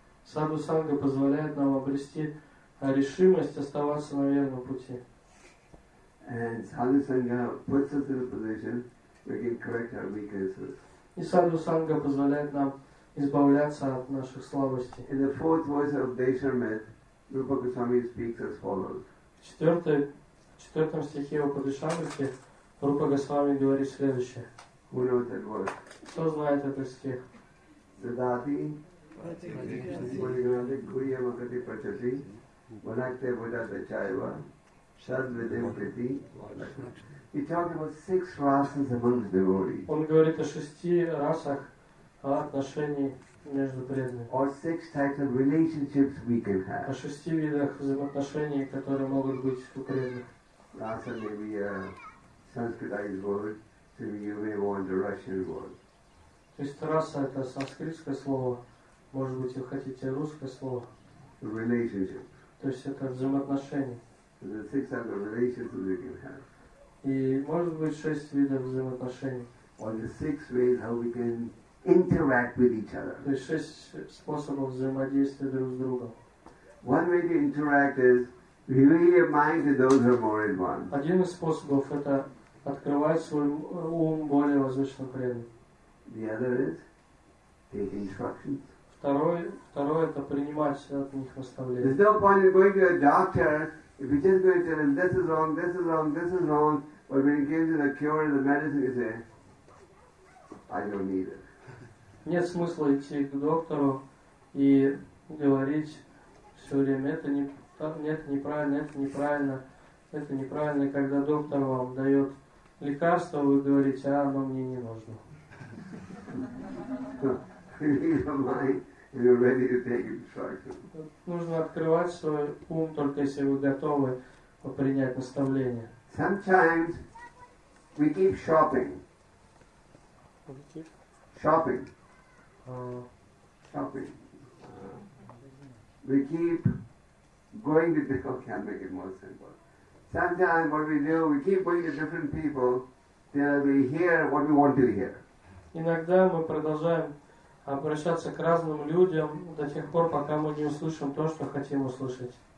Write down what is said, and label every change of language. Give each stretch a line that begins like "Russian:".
Russian: Саду санга позволяет нам обрести решимость оставаться на верном пути.
English: And sadhu sangha puts us in a position where we can correct our weaknesses.
Russian: И саду санга позволяет нам избавляться от наших слабостей.
English: In the fourth verse of Daishamrit, Rupa Goswami speaks as follows.
Russian: В четвертом стихе о Падишамрите Рупа Госвами говорит следующее.
English: Who knows that word?
Russian: Кто знает этот стих? Задати. Падишамрити.
Sanskrit: Падишамрити. Vanakte Vodata Chaiva, Shad Vidim Priti.
English: He talked about six rasas among the devotees.
Russian: Он говорит о шести расах отношений между преданными.
English: Or six types of relationships we can have.
Russian: О шести видах взаимоотношений, которые могут быть у преданных.
English: Rasa may be a Sanskritized word, so you may want a Russian word.
Russian: То есть раса это санскритское слово, может быть вы хотите русское слово.
English: Relationship.
Russian: То есть это взаимоотношения.
English: The six types of relationships we can have.
Russian: И может быть шесть видов взаимоотношений.
English: Or the six ways how we can interact with each other.
Russian: То есть шесть способов взаимодействия друг с другом.
English: One way to interact is reveal your mind to those who are more advanced.
Russian: Один из способов это открывать свой ум более возвышенным преданным.
English: The other is take instructions.
Russian: Второе это принимать от них наставления.
English: There's no point in going to a doctor if you're just going to tell him this is wrong, this is wrong, this is wrong, but when he gives you the cure and the medicine, you say, I don't need it.
Russian: Нет смысла идти к доктору и говорить все время, это неправильно, когда доктор вам дает лекарство, вы говорите, оно мне не нужно.
English: You're ready to take instructions.
Russian: Нужно открывать свой ум только если вы готовы принять наставление.
English: Sometimes we keep shopping. Shopping. Shopping. We keep going to different. Can't make it more simple. Sometimes what we do, we keep going to different people till we hear what we want to hear.
Russian: Иногда мы продолжаем обращаться к разным людям до тех пор, пока мы не услышим то, что хотим услышать.